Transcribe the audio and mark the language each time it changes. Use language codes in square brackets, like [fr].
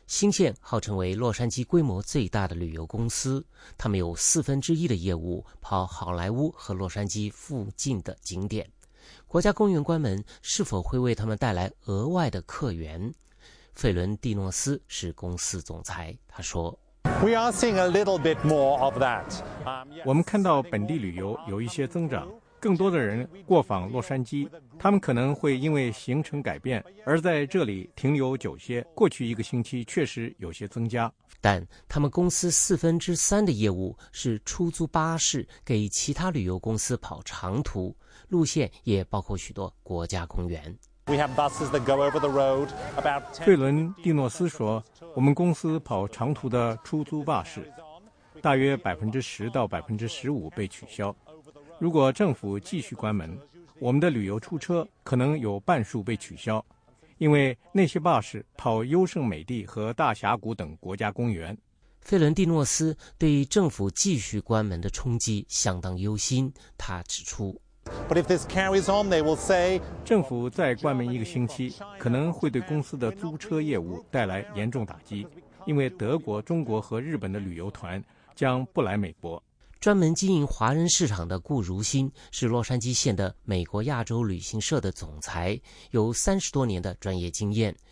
[zh] 新线号称为洛杉矶规模最大的旅游公司，他们有1/4的业务跑好莱坞和洛杉矶附近的景点。国家公园关门是否会为他们带来额外的客源？费伦蒂诺斯是公司总裁，他说， [en] We are seeing a little bit more of that. [zh] 我们看到本地旅游有一些增长，更多的人过访洛杉矶，他们可能会因为行程改变而在这里停留久些。过去一个星期确实有些增加，但他们公司3/4的业务是出租巴士给其他旅游公司跑长途，路线也包括许多国家公园。 [en] We have buses that go over the road. [zh] 费伦蒂诺斯说，我们公司跑长途的出租巴士大约10%-15%被取消。如果政府继续关门，我们的旅游出车可能有半数被取消，因为那些巴士跑优胜美地和大峡谷等国家公园。费伦蒂诺斯对政府继续关门的冲击相当忧心，他指出。 [en] But if this carries on, they will say, [zh] 政府再关门一个星期，可能会对公司的租车业务带来严重打击，因为德国、中国和日本的旅游团将不来美国。专门经营华人市场的顾如新是洛杉矶县的美国亚洲旅行社的总裁，有30多年的专业经验。